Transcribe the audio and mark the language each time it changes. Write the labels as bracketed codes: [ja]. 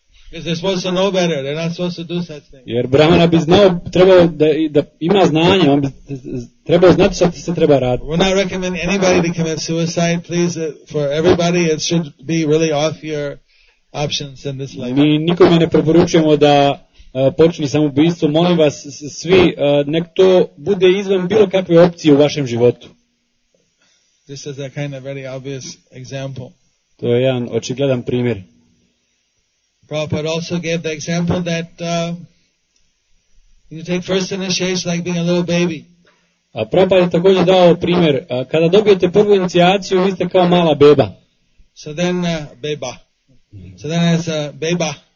[en] Because they're supposed to know better, they're not supposed to do such things. [hr] Jer brahmana bi znao, trebao da, da ima znanje, on bi trebao znati što se treba raditi. [en] We're not recommending anybody to commit suicide, please, for everybody, it should be really off your options in this life. [hr] Mi nikome ne preporučujemo da počini samoubistvo, molim vas svi, nek to bude izvan bilo kakve opcije u vašem životu. [en] This is a kind of very obvious example. [hr] To je jedan očigledan primjer. [en] Prabhupada also gave the example that you take first initiation like being a little baby. [hr] Prabhupada je također dao primjer, kada dobijete prvu inicijaciju, vi ste kao mala beba. [en] So then, beba. So then as a beba.